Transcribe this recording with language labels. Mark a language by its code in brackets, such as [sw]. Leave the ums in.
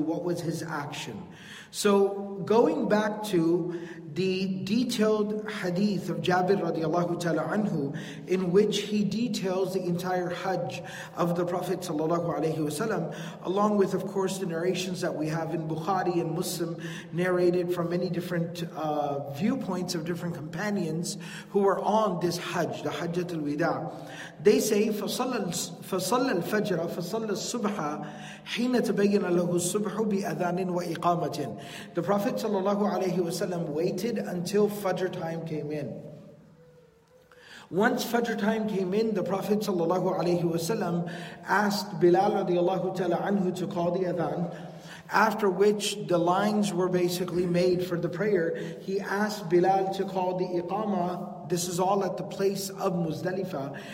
[en] What was his action? So, going back to the detailed hadith of Jabir radiallahu ta'ala anhu, in which he details the entire Hajj of the Prophet sallallahu along with, of course, the narrations that we have in Bukhari and Muslim, narrated from many different uh, viewpoints of different companions who were on this Hajj, the Hajjat al-Wida. [ar] They say, فَصَلَّ الْفَجْرَ فَصَلَّ الصُّبْحَ حِينَ تَبَيَّنَ لَهُ الصُّبْحُ بِأَذَانٍ وَإِقَامَةٍ [en] The Prophet ﷺ waited until Fajr time came in. Once Fajr time came in, the Prophet ﷺ asked Bilal radiallahu ta'ala anhu to call the adhan, after which the lines were basically made for the prayer. He asked Bilal to call the iqamah. This is all at the place of Muzdalifah.